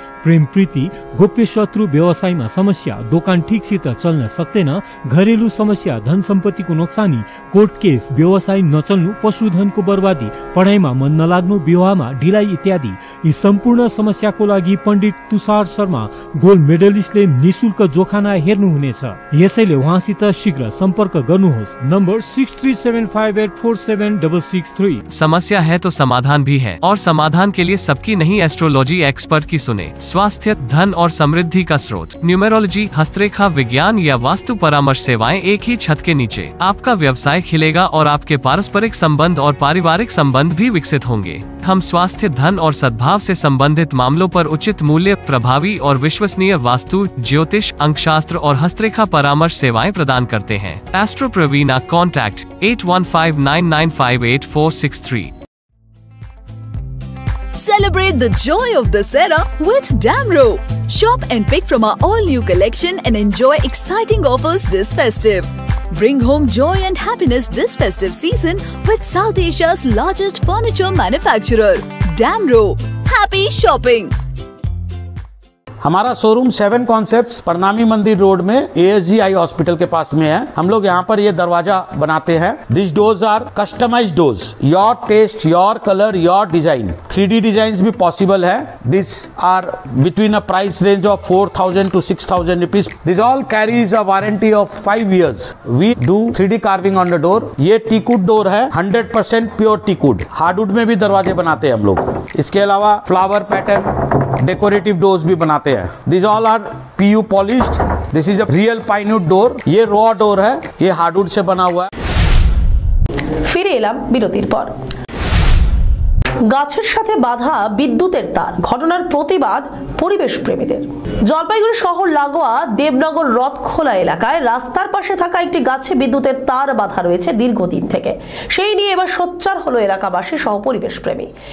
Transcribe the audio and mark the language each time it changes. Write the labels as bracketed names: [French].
[Nepali] प्रेम प्रीति गोप्य शत्रु व्यवसायमा समस्या दोकान ठिकसित चल्न सक्दैन घरेलु समस्या धन सम्पत्तिको नोक्सानी कोर्ट केस व्यवसाय नचल्नु पशुधनको बर्बादी पढाइमा मन नलाग्नु विवाहमा ढिलाइ इत्यादि यी सम्पूर्ण समस्याको लागि पण्डित तुषार शर्मा गोल्ड मेडलिस्टले निशुल्क जोखाना हेर्नुहुनेछ यसैले उहाँसित शीघ्र सम्पर्क गर्नुहोस् नंबर 6375847663। [Hindi] समस्या है तो समाधान भी है और समाधान के लिए सबकी नहीं एस्ट्रोलॉजी एक्सपर्ट की सुने स्वास्थ्य धन और समृद्धि का स्रोत न्यूमेरोलॉजी हस्तरेखा विज्ञान या वास्तु परामर्श सेवाएं एक ही छत के नीचे आपका व्यवसाय खिलेगा और आपके पारस्परिक संबंध और पारिवारिक संबंध भी विकसित होंगे हम स्वास्थ्य धन और सद्भाव से संबंधित मामलों पर उचित मूल्य प्रभावी और विश्वसनीय वास्तु ज्योतिष अंकशास्त्र और हस्तरेखा परामर्श सेवाएं प्रदान करते हैं astro Praveena, contact 815-995-8463. [English] Celebrate the joy of this era with Damro. Shop and pick from our all-new collection and enjoy exciting offers this festive. Bring home joy and happiness this festive season with South Asia's largest furniture manufacturer, Damro. Happy shopping! [Hindi] हमारा showroom seven concepts Parnami मंदिर road में ASGI hospital के पास में है हम लोग यहाँ पर ये दरवाजा बनाते हैं [English] this doors are customized doors your taste your colour your design [Hindi] 3D design भी पॉसिबल है this [English] are between a price range of 4,000 to 6,000 rupees this all carries a warranty of 5 years we do 3D carving on the door [Hindi] ये टीकूड door है 100% pure टीकूड hardwood में भी दरवाजे बनाते हैं हम लोग इसके अलावा फ्लावर पैटर्न डेकोरेटिव डोर्स भी बनाते हैं [English] this all are PU polished this is a real pinewood door [Hindi] ये रॉ डोर है ये हार्डवुड से बना हुआ है फिर एलम बिरतिर पर [Bangla] গাছের সাথে বাঁধা বিদ্যুতের তার ঘটনার প্রতিবাদ পরিবেশ প্রেমীদের জলপাইগুড়ি শহর লাগোয়া দেবনগর রথখোলা এলাকায় রাস্তার পাশে থাকা একটি গাছে বিদ্যুতের তার বাঁধা রয়েছে দীর্ঘদিন থেকে সেই নিয়ে এবার সোচ্চার হলো এলাকাবাসী সহ পরিবেশ প্রেমী